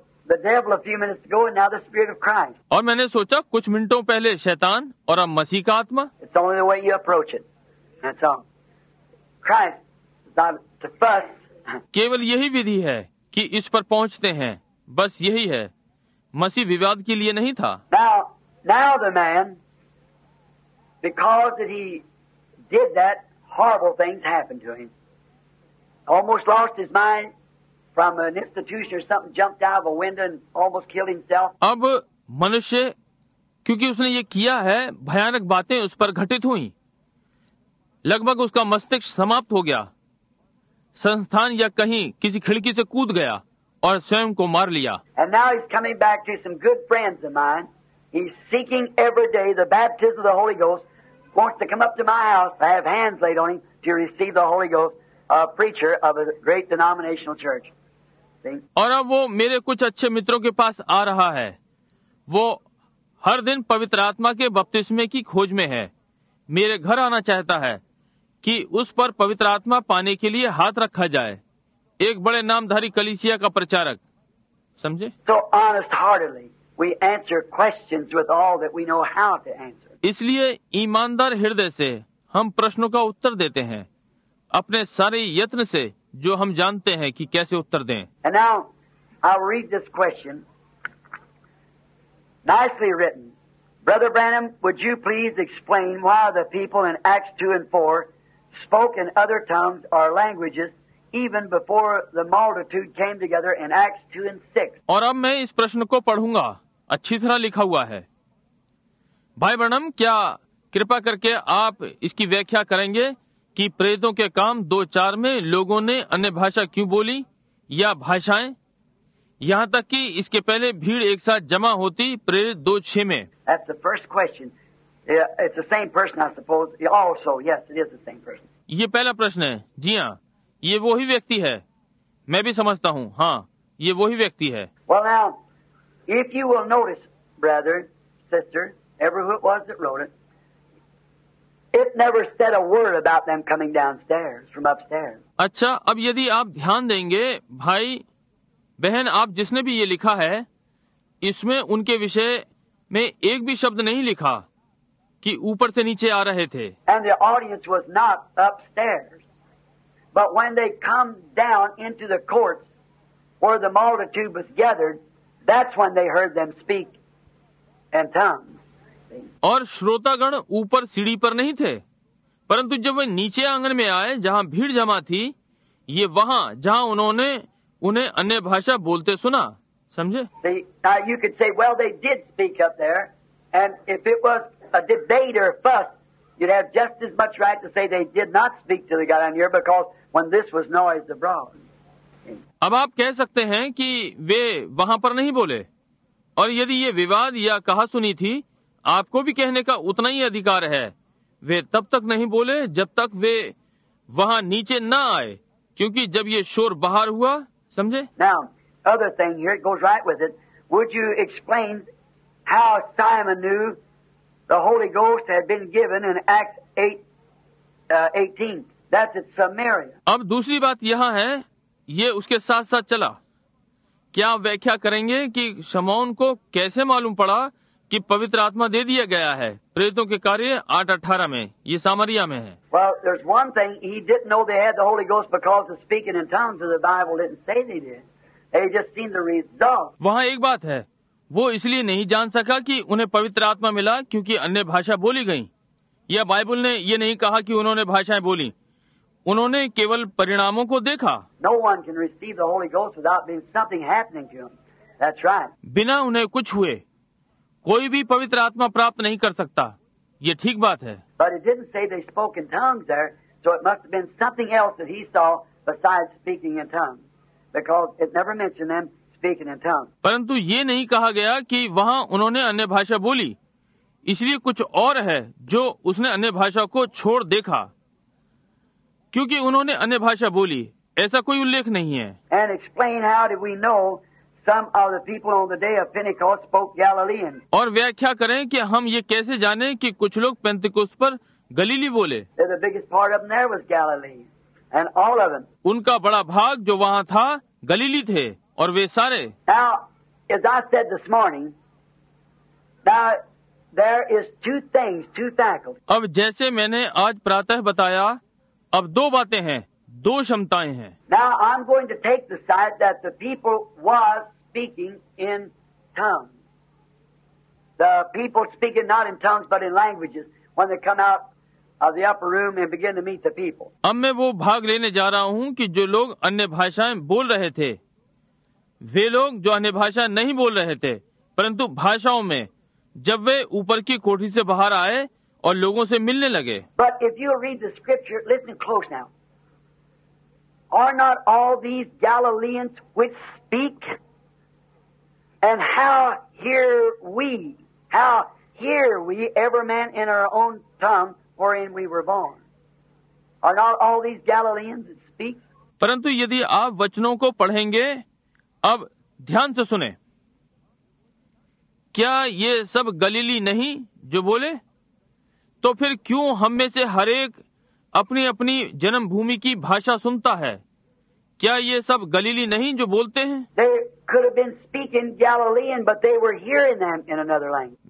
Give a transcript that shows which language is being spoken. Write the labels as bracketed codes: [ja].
[en] The devil a few minutes ago and now the spirit of Christ. [hi] और मैंने सोचा कुछ मिनटों पहले शैतान और अब मसीह का आत्मा. [en] It's only the way you approach it. That's all. Christ is not to fuss. [hi] केवल यही विधि है कि इस पर पहुंचते हैं, बस यही है. मसीह विवाद के लिए नहीं था. [en] Now the man, because he did that, horrible things happened to him. Almost lost his mind. From an institution or something jumped out of a window and almost killed himself. [hi] अब मनुष्य, क्योंकि उसने ये किया है, भयानक बातें उस पर घटित हुईं. लगभग उसका मस्तिष्क समाप्त हो गया. संस्थान या कहीं किसी खिड़की से कूद गया और स्वयं को मार लिया. [en] And now he's coming back to some good friends of mine. He's seeking every day the baptism of the Holy Ghost. Wants to come up to my house to have hands laid on him to receive the Holy Ghost. A preacher of a great denominational church. [hi] और अब वो मेरे कुछ अच्छे मित्रों के पास आ रहा है. वो हर दिन पवित्र आत्मा के बपतिस्मे की खोज में है. मेरे घर आना चाहता है कि उस पर पवित्र आत्मा पाने के लिए हाथ रखा जाए. एक बड़े नामधारी कलीसिया का प्रचारक, समझे. [en] So honest heartedly, we answer questions with all that we know how to answer. [hi] इसलिए ईमानदार हृदय से हम प्रश्नों का उत्तर देते हैं, अपने सारे यत्न से जो हम जानते हैं कि कैसे उत्तर दें. [en] And now, I'll read this question. Nicely written. Brother Branham, would you please explain why the people in Acts 2 and 4 spoke in other tongues or languages even before the multitude came together in Acts 2 and 6? [hi] और अब मैं इस प्रश्न को पढ़ूंगा. अच्छी तरह लिखा हुआ है. भाई ब्रैनम, क्या कृपा करके आप इसकी व्याख्या करेंगे कि प्रेतों के काम 2-4 में लोगों ने अन्य भाषा क्यों बोली या भाषाएं, यहाँ तक कि इसके पहले भीड़ एक साथ जमा होती प्रेरित 2-6 में. [en] That's the first question. It's the same person, I suppose. Also, yes, it is the same person. [hi] ये पहला प्रश्न है. जी हाँ, ये वही व्यक्ति है. मैं भी समझता हूँ, हाँ, ये वही व्यक्ति है. [en] Well now, if you will notice, brother, sister, ever who it was that wrote it, it never said a word about them coming downstairs from upstairs. [hi] अच्छा, अब यदि आप ध्यान देंगे भाई बहन, आप जिसने भी ये लिखा है, इसमें उनके विषय में एक भी शब्द नहीं लिखा कि ऊपर से नीचे आ रहे थे. [en] And the audience was not upstairs. But when they come down into the courts where the multitude was gathered, that's when they heard them speak in tongues. [hi] और श्रोतागण ऊपर सीढ़ी पर नहीं थे, परंतु जब वे नीचे आंगन में आए जहां भीड़ जमा थी, ये वहां जहां उन्होंने उन्हें अन्य भाषा बोलते सुना, समझे. [en] You could say, well, they did speak up there, and if it was a debate or a fuss, you'd have just as much right to say they did not speak to the God on here because when this was noised abroad. [hi] अब आप कह सकते हैं कि वे वहाँ पर नहीं बोले और यदि ये विवाद या कहा सुनी थी आपको भी कहने का उतना ही अधिकार है। वे तब तक नहीं बोले जब तक वे वहाँ नीचे न आए क्योंकि जब ये शोर बाहर हुआ समझे। [en] Now, other thing here, it goes right with it. Would you explain how Simon knew the Holy Ghost had been given in Acts 18? That's at Samaria. [hi] अब दूसरी बात यहाँ है ये उसके साथ साथ चला। क्या व्याख्या करेंगे कि शमौन को कैसे मालूम पड़ा कि पवित्र आत्मा दे दिया गया है प्रेरितों के कार्य 8:18 में ये सामरिया में है। [en] Well, there's one thing he didn't know they had the Holy Ghost because of speaking in tongues of the Bible didn't say they did. They just seen the result. [hi] वहाँ एक बात है वो इसलिए नहीं जान सका कि उन्हें पवित्र आत्मा मिला क्योंकि अन्य भाषा बोली गई या बाइबल ने ये नहीं कहा कि उन्होंने भाषाएं बोली उन्होंने केवल परिणामों को देखा। [en] No one can receive the Holy Ghost without being something happening to him. That's right. [hi] बिना उन्हें कुछ हुए कोई भी पवित्र आत्मा प्राप्त नहीं कर सकता ये ठीक बात है। [en] But it didn't say they spoke in tongues there, so it must have been something else that he saw besides speaking in tongues, because it never mentioned them speaking in tongues. [hi] परंतु ये नहीं कहा गया कि वहाँ उन्होंने अन्य भाषा बोली इसलिए कुछ और है जो उसने अन्य भाषा को छोड़ देखा क्योंकि उन्होंने अन्य भाषा बोली ऐसा कोई उल्लेख नहीं है। [en] And explain how did we know some of the people on the day of Pentecost spoke Galilean? [hi] और व्याख्या करें कि हम ये कैसे जाने कि कुछ लोग पेंतिकोस्त पर गलीली बोले। [en] The biggest part of them there was Galilee, and all of them. [hi] उनका बड़ा भाग जो वहाँ था गलीली थे और वे सारे। [en] Now, as I said this morning, now there is two things, two faculties. [hi] अब जैसे मैंने आज प्रातः बताया अब दो बातें हैं दो क्षमताएं हैं। [en] Now I'm going to take the side that the people was speaking in tongues. The people speaking not in tongues but in languages when they come out of the upper room and begin to meet the people. [hi] अब मैं वो भाग लेने जा रहा हूँ कि जो लोग अन्य भाषाएं बोल रहे थे वे लोग जो अन्य भाषाएं नहीं बोल रहे थे परंतु भाषाओं में जब वे ऊपर की कोठरी से बाहर आए और लोगों से मिलने लगे। [en] But if you read the scripture, listen close now. Are not all these Galileans which speak? And how hear we every man in our own tongue wherein we were born? Are not all these Galileans that speak? [hi] परंतु यदि आप वचनों को पढ़ेंगे अब ध्यान से सुने क्या ये सब गलीली नहीं जो बोले तो फिर क्यों हम में से हर एक अपनी अपनी जन्मभूमि की भाषा सुनता है क्या ये सब गलीली नहीं जो बोलते हैं? [en] They could have been speaking Galilean, but they were hearing them in another language.